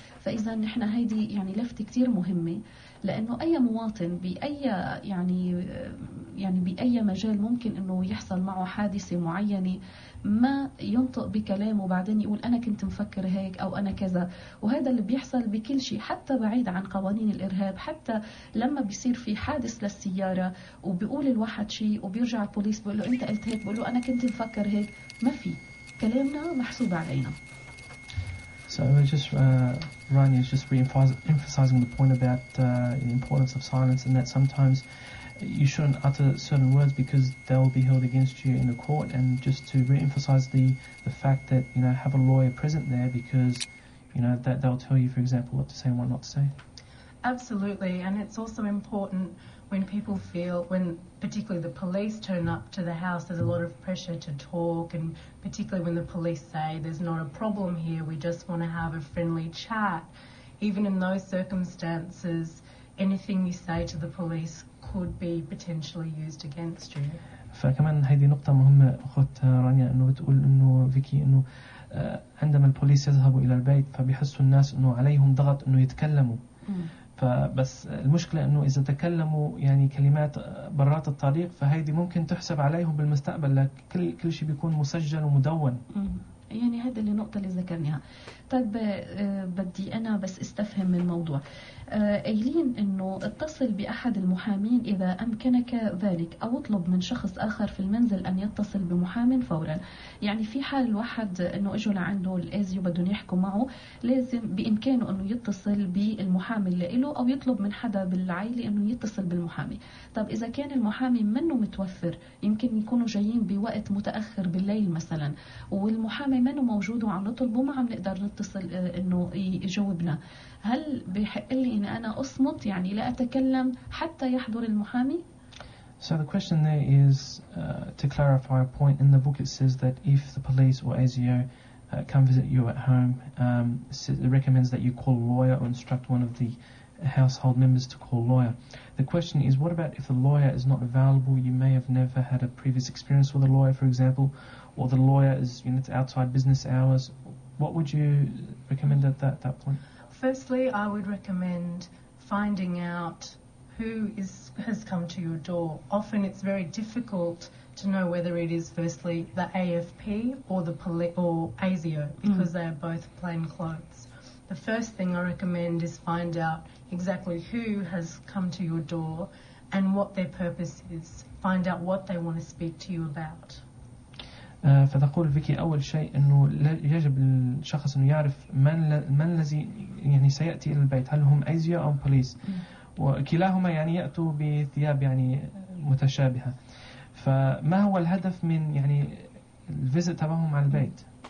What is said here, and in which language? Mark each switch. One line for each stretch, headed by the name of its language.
Arabic: فاذا نحن هيدي يعني لفت كتير مهمه لانه اي مواطن باي يعني باي مجال ممكن انه يحصل معه حادثه معينه ما ينطق بكلامه بعدين يقول انا كنت مفكر هيك او انا كذا. وهذا اللي بيحصل بكل شيء حتى بعيد عن قوانين الارهاب، حتى لما بيصير في حادث للسياره وبيقول الواحد شيء وبيرجع البوليس بيقول له انت قلت هيك، بيقول له انا كنت مفكر هيك، ما في كلامنا محسوب علينا.
English: Rania is just re-emphasizing the point about the importance of silence and that sometimes you shouldn't utter certain words because they will be held against you in the court. And just to re-emphasize the fact that, you know, have a lawyer present there because, you know, that they'll tell you, for example, what to say and what not to say. Absolutely. And it's also important when people feel, when particularly the police turn up to the house, there's a lot of pressure to talk, and particularly when the police say there's not a problem here, we just want to have a friendly chat. Even in those circumstances, anything you say to the police could be potentially used against you.
Arabic: فكمان هذه نقطة مهمة أخت رانيا إنه بتقول إنه فيكي إنه عندما البوليس يذهبوا إلى البيت فبيحسوا الناس إنه عليهم ضغط إنه يتكلموا. فبس المشكلة أنه إذا تكلموا يعني كلمات برات الطريق فهيدي ممكن تحسب عليهم بالمستقبل، لكل كل شيء بيكون مسجل ومدون. يعني هذا النقطة اللي ذكرناها. طيب بدي أنا بس استفهم من الموضوع أيلين، أنه اتصل بأحد المحامين إذا أمكنك ذلك أو اطلب من شخص آخر في المنزل أن يتصل بمحام فورا. يعني في حال الواحد أنه أجوا لعنده الأزيو بدون يحكوا معه، لازم بإمكانه أنه يتصل بالمحامي اللي له أو يطلب من حدا بالعائلة أنه يتصل بالمحامي. طب إذا كان المحامي منه متوفر، يمكن يكونوا جايين بوقت متأخر بالليل مثلا والمحامي منه موجود وعم نطلبه، ما عم نقدر نتصل أنه يجاوبنا، هل بحق لي إن أنا أصمت يعني لا أتكلم حتى يحضر المحامي؟
English: So the question there is to clarify a point. In the book it says that if the police or ASIO come visit you at home, it recommends that you call a lawyer or instruct one of the household members to call a lawyer. The question is, what about if the lawyer is not available? You may have never had a previous experience with a lawyer, for example, or the lawyer is, you know, it's outside business hours. What would you recommend at that point? Firstly, I would recommend finding out who has come to your door. Often it's very difficult to know whether it is firstly the AFP or the or ASIO because they are both plain clothes. The first thing I recommend is find out exactly who has come to your door and what their purpose is. Find out what they want to speak to you about.
Arabic: فتقول فيكي أول شيء أنه يجب الشخص أنه يعرف من الذي يعني سيأتي إلى البيت، هل هم ASIO أو بوليس، وكلاهما يعني يأتوا بثياب يعني متشابهة. فما هو الهدف من يعني الفيزيت تبعهم على البيت؟